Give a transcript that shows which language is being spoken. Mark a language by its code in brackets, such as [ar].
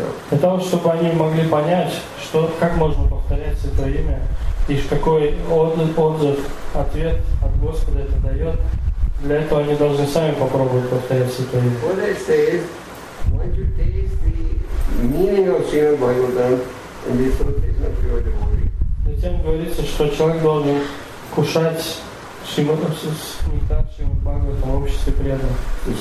[ru] Для того, чтобы они могли понять, что, как можно повторять Святое Имя, и какой отзыв, ответ от Господа это дает, для этого они должны сами попробовать повторять Святое Имя. [en] Buddha says, once you taste the meaning of Srimad Bhagavatam and the association of pure devotees. [ru] Затем говорится, что человек должен кушать Шримад Бхагаватам в обществе преданных.